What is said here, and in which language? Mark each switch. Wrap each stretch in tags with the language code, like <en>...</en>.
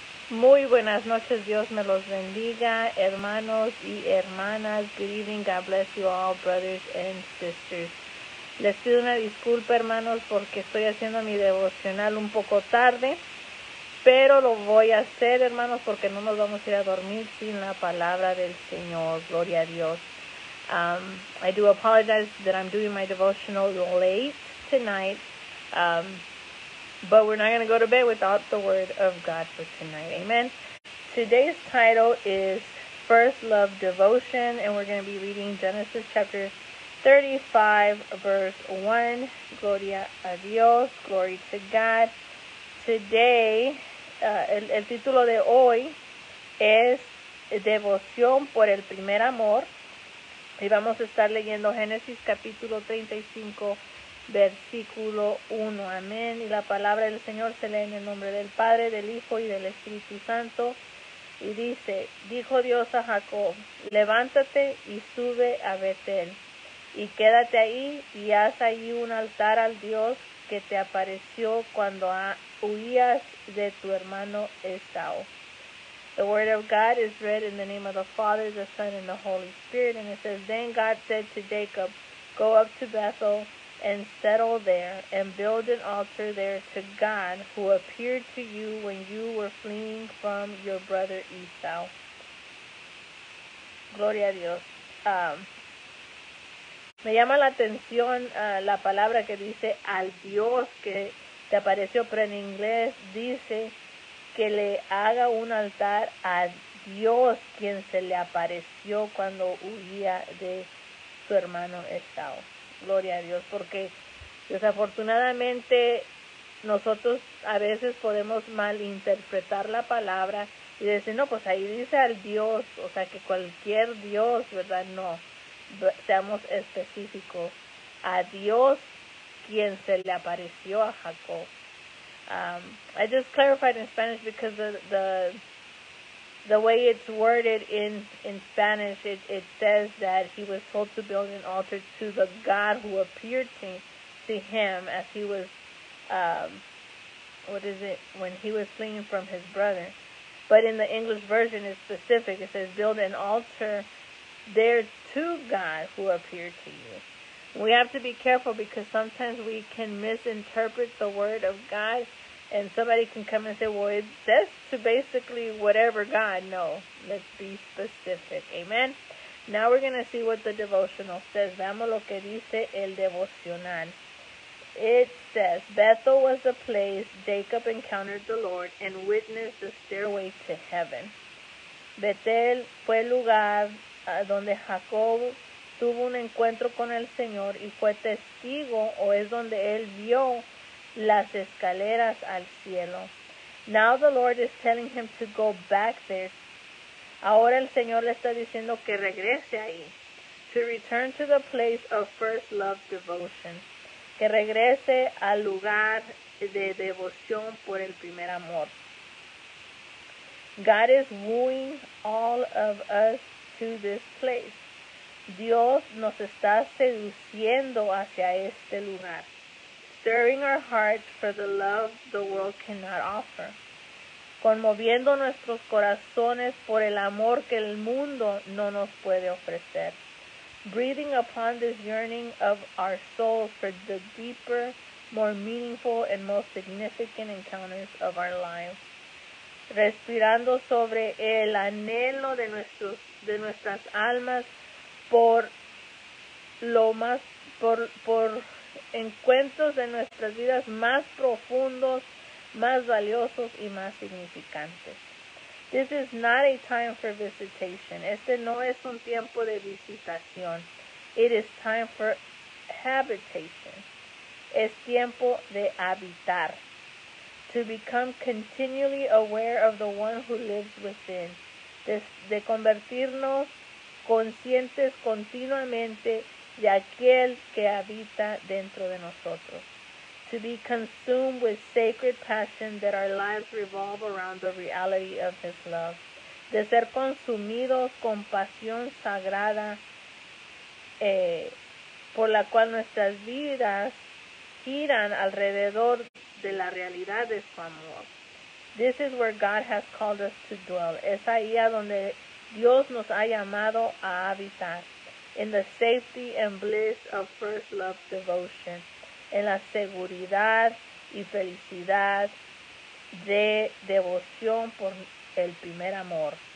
<es>Muy buenas noches, Dios me los bendiga, hermanos y hermanas.</es> <en>Good evening, God bless you all, brothers and sisters.</en> <es>Les pido una disculpa, hermanos, porque estoy haciendo mi devocional un poco tarde, pero lo voy a hacer, hermanos, porque no nos vamos a ir a dormir sin la palabra del Señor. Gloria a Dios.</es> <en>I do apologize that I'm doing my devotional late tonight. But we're not going to go to bed without the word of God for tonight. Amen. Today's title is First Love Devotion, and we're going to be reading Genesis chapter 35, verse 1.</en> <es>Gloria a Dios.</es> <en>Glory to God. Today,</en> <es>el título de hoy es Devoción por el Primer Amor. Y vamos a estar leyendo Génesis capítulo 35, versículo 1. Amén. Y la palabra del Señor se lee en el nombre del Padre, del Hijo y del Espíritu Santo. Y dice, dijo Dios a Jacob, levántate y sube a Betel, y quédate ahí y haz allí un altar al Dios que te apareció cuando huías de tu hermano Esau.</es> <en>The word of God is read in the name of the Father, the Son, and the Holy Spirit. And it says, then God said to Jacob, go up to Bethel, and settle there, and build an altar there to God, who appeared to you when you were fleeing from your brother Esau.</en> <es>Gloria a Dios. Me llama la atención la palabra que dice al Dios que te apareció, pero en inglés dice que le haga un altar a Dios quien se le apareció cuando huía de su hermano Esau. Gloria a Dios, porque desafortunadamente nosotros a veces podemos malinterpretar la palabra y decir, no, pues ahí dice al Dios, o sea que cualquier Dios, ¿verdad? No, seamos específicos, a Dios quien se le apareció a Jacob.</es> <en>I just clarified in Spanish because the way it's worded in Spanish, it says that he was told to build an altar to the God who appeared to him as he was, when he was fleeing from his brother. But in the English version, it's specific. It says, build an altar there to God who appeared to you. We have to be careful because sometimes we can misinterpret the word of God. And somebody can come and say, well, it says to basically whatever God. No, let's be specific. Amen. Now we're going to see what the devotional says.</en> <es>Veamos lo que dice el devocional.</es> <en>It says, Bethel was the place Jacob encountered the Lord and witnessed the stairway to heaven.</en> <es>Bethel fue el lugar donde Jacob tuvo un encuentro con el Señor y fue testigo, o es donde él vio las escaleras al cielo.</es> <en>Now the Lord is telling him to go back there.</en> <es>Ahora el Señor le está diciendo que regrese ahí.</es> <en>To return to the place of first love devotion.</en> <es>Que regrese al lugar de devoción por el primer amor.</es> <en>God is wooing all of us to this place.</en> <es>Dios nos está seduciendo hacia este lugar.</es> <en>Stirring our hearts for the love the world cannot offer.</en> <es>Conmoviendo nuestros corazones por el amor que el mundo no nos puede ofrecer.</es> <en>Breathing upon this yearning of our souls for the deeper, more meaningful, and most significant encounters of our lives.</en> <es>Respirando sobre el anhelo de nuestras almas por lo más, por encuentros de nuestras vidas más profundos, más valiosos y más significantes.</es> <en>This is not a time for visitation.</en> <es>Este no es un tiempo de visitación.</es> <en>It is time for habitation.</en> <es>Es tiempo de habitar.</es> <en>To become continually aware of the one who lives within.</en> <es>De convertirnos conscientes continuamente de aquel que habita dentro de nosotros.</es> <en>To be consumed with sacred passion that our lives revolve around the reality of his love.</en> <es>De ser consumidos con pasión sagrada por la cual nuestras vidas giran alrededor de la realidad de su amor.</es> <en>This is where God has called us to dwell.</en> <es>Es ahí a donde Dios nos ha llamado a habitar.</es> <en>In the safety and bliss of first love devotion.</en> <es>En la seguridad y felicidad de devoción por el primer amor.</es>